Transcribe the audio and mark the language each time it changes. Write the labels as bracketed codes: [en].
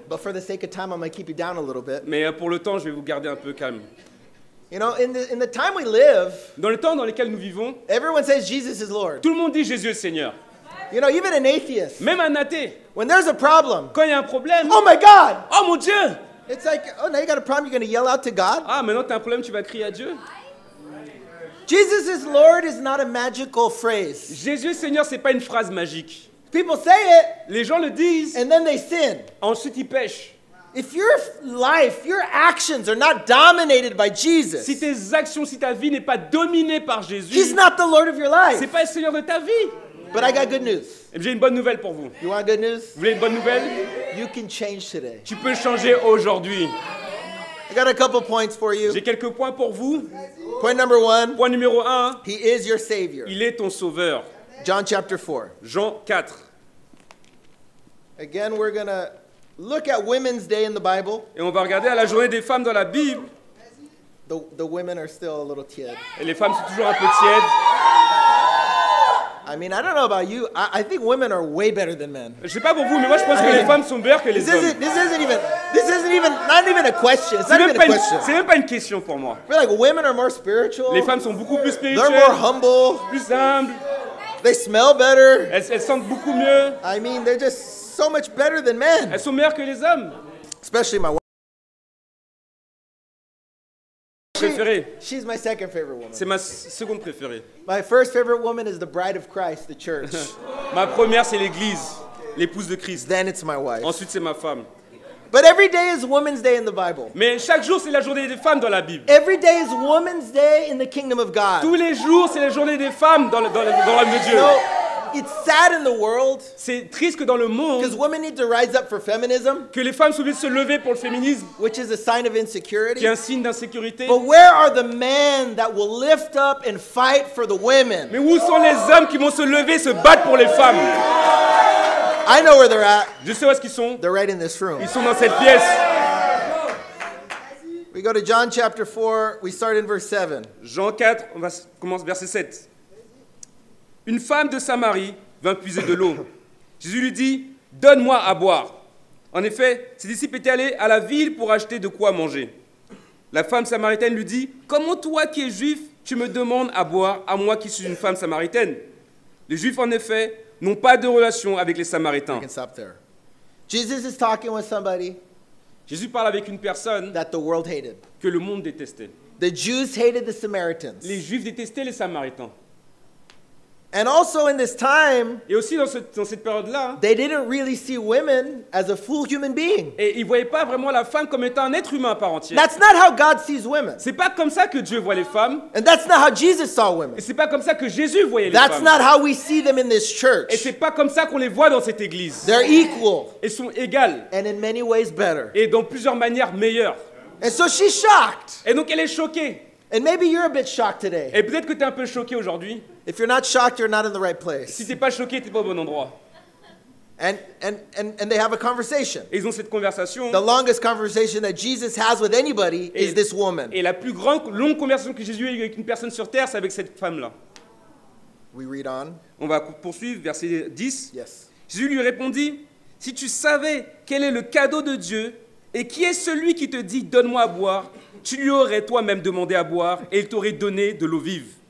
[en] But for the sake of time, I'm going to keep you down a little bit. [fr] Mais pour le temps, je vais vous garder un peu calme. [en] You know, in the time we live, [fr] dans le temps dans lequel nous vivons, [en] everyone says Jesus is Lord. [fr] Tout le monde dit Jésus est Seigneur. [en] You know, even an atheist. [fr] Même un athée. [en] When there's a problem. [fr] Quand il y a un problème. [en] Oh my God. [fr] Oh mon Dieu. [en] It's like, oh, now you got a problem. You're going to yell out to God. [fr] Ah, maintenant t'as un problème, tu vas crier à Dieu. [en] Jesus is Lord is not a magical phrase. [fr] Jésus Seigneur, c'est pas une phrase magique. [en] People say it. [fr] Les gens le disent. [en] And then they sin. [fr] Ensuite, ils pêchent. [en] If your life, your actions are not dominated by Jesus, [fr] si tes actions, si ta vie n'est pas dominée par Jésus, [en] He's not the Lord of your life. [fr] C'est pas le Seigneur de ta vie. [en] But I got good news. [fr] J'ai une bonne nouvelle pour vous. [en] You want good news? [fr] Vous voulez une bonne nouvelle? [en] You can change today. [fr] Tu peux changer aujourd'hui. [en] I got a couple points for you. [fr] J'ai quelques points pour vous. [en] Point number one. [fr] Point numéro un. [en] He is your Savior. [fr] Il est ton Sauveur. [en] John chapter 4. [fr] Jean 4. [en] Again, we're going to look at Women's Day in the Bible. [fr] Et on va regarder à la journée des femmes dans la Bible. [en] The women are still a little tiède. [fr] Et les femmes sont toujours un peu tièdes. [en] I mean, I don't know about you. I think women are way better than men. [fr] Je sais pas pour vous, mais moi je pense que les femmes sont meilleures que les hommes. [en] This isn't even a question. It's not even a question. [fr] C'est même pas une question pour moi. [en] I feel like women are more spiritual. [fr] Les femmes sont beaucoup plus spirituelles. [en] They're more humble. [fr] Plus humbles. [en] They smell better. [fr] Elles sentent beaucoup mieux. [en] I mean, they're just so much better than men. [fr] Elles sont meilleures que les hommes. [en] Especially my wife. She's my second favorite woman. [fr] C'est ma seconde préférée. [en] My first favorite woman is the bride of Christ, the church. [fr] Ma première, c'est l'église, l'épouse de Christ. [en] Then it's my wife. [fr] Ensuite, c'est ma femme. [en] But every day is Women's Day in the Bible. [fr] Mais chaque jour, c'est la journée des femmes dans la Bible. [en] Every day is Women's Day in the kingdom of God. [fr] Tous les jours, c'est la journée des femmes dans le royaume de Dieu. [en] So, it's sad in the world. [fr] C'est triste que dans le monde. [en] Because women need to rise up for feminism. [fr] Que les femmes souhaitent se lever pour le féminisme. [en] Which is a sign of insecurity. [fr] Qui est un signe d'insécurité. [en] But where are the men that will lift up and fight for the women? [fr] Mais où sont les hommes qui vont se lever, se battre pour les femmes? [en] I know where they're at. [fr] Je sais où est-ce qu'ils sont. [en] They're right in this room. [fr] Ils sont dans cette pièce. [en] We go to John chapter 4. We start in verse 7. [fr] Jean 4, on va commencer verset 7. Une femme de Samarie vint puiser de l'eau. Jésus lui dit, « Donne-moi à boire. » En effet, ses disciples étaient allés à la ville pour acheter de quoi manger. La femme samaritaine lui dit, « Comment toi qui es juif, tu me demandes à boire à moi qui suis une femme samaritaine ?» Les juifs, en effet, n'ont pas de relation avec les samaritains. [en] I can stop there. Jesus is talking with somebody. [fr] Jésus parle avec une personne [en] that the world hated. [fr] Que le monde détestait. [en] The Jews hated the Samaritans. [fr] Les juifs détestaient les samaritains. [en] And also in this time, [fr] et aussi dans cette période-là, [en] they didn't really see women as a full human being. [fr] Et ils voyaient pas vraiment la femme comme étant un être humain à part entière. [en] That's not how God sees women. [fr] C'est pas comme ça que Dieu voit les femmes. [en] And that's not how Jesus saw women. [fr] Et c'est pas comme ça que Jésus voyait les [en] that's [fr] femmes. [en] That's not how we see them in this church. [fr] Et c'est pas comme ça qu'on les voit dans cette église. [en] They're equal. [fr] Et sont égales. [en] And in many ways better. [fr] Et dans plusieurs manières meilleures. [en] And so she's shocked. [fr] Et donc elle est choquée. [en] And maybe you're a bit shocked today. [fr] Et peut-être que tu es un peu choqué aujourd'hui. [en] If you're not shocked, you're not in the right place. [fr] Si t'es pas choqué, t'es pas au bon endroit. [en] And they have a conversation. [fr] Et ils ont cette conversation. [en] The longest conversation that Jesus has with anybody is this woman. [fr] Et la plus grande longue conversation que Jésus ait avec une personne sur terre, c'est avec cette femme-là. [en] We read on. [fr] On va poursuivre verset 10. [en] Yes. [fr] Jésus lui répondit, si tu savais quel est le cadeau de Dieu et qui est celui qui te dit donne-moi à boire, tu lui aurais toi-même demandé à boire et il t'aurait donné de l'eau vive.